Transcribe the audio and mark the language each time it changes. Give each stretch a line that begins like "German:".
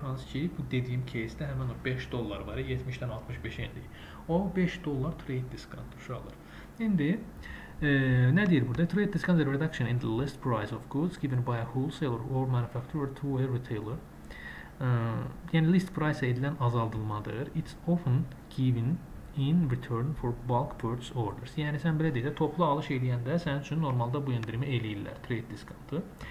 Azerbaijani: Hansı ki, bu dediyim case-də həmin o 5 dollar var, 70-dən 65 endik. O 5 dollar trade discount uşaqlar. İndi nə deyir burada?
English: Trade discount is a reduction in the list price of goods given by a wholesaler or manufacturer to a retailer.
Azerbaijani: Yəni list price edilən azaldılmadır.
English: It's often given in return for bulk purchase orders.
Azerbaijani: Yəni sən belə deyək, toplu alış edəndə sənin üçün normalda bu endirimi eləyirlər, trade discount-ı.